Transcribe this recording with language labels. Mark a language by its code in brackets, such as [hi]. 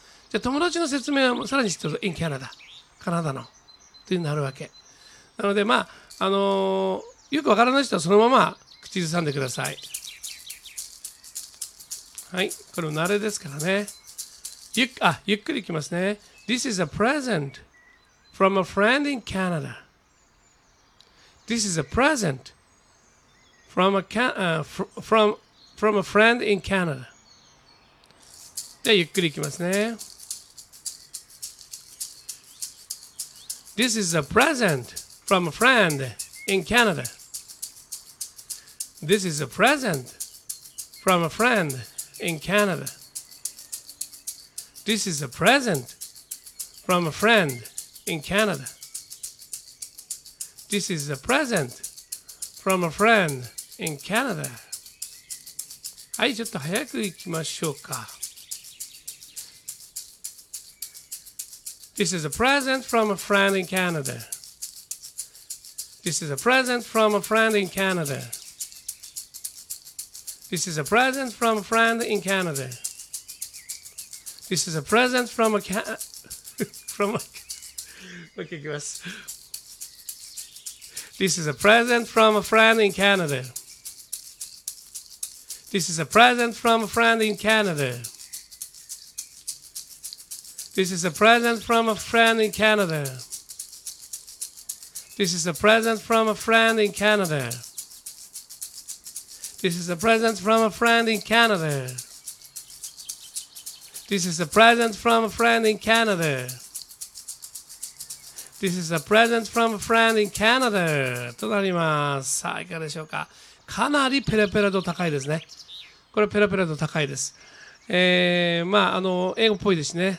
[ja] じゃ友達の説明はさらに知ってると [en] In Canada、 [ja] カナダのというなるわけなので、まあよくわからない人はそのまま口ずさんでください。はい、これも慣れですからね。ゆっくりいきますね。 [en] This is a present from a friend in Canada. This is a present from a friend in Canada. [ja] じゃあゆっくりいきますね。 [en] This is a present from a friend in Canada. This is a present from a friend in Canada. This is a present from a friend in Canada. This is a present from a friend in Canada. [ja] はい、ちょっと早くいきましょうか。 [en] This is a present from a friend in Canada. This is a present from a friend in Canada. This is a present from a friend in Canada. This is a present from a cat. From a. Okay, give us. This is a present from a friend in Canada. This is a present from a friend in Canada. This is a present from a friend in Canada. This is a present from a friend in Canada. This is a present from a friend in Canada. This is a present from a friend in Canada. This is a present from a friend in Canada. [ja] となります。さあ、いかがでしょうか。かなりペラペラ度高いですね。これペラペラ度高いです。まあ、英語っぽいですね。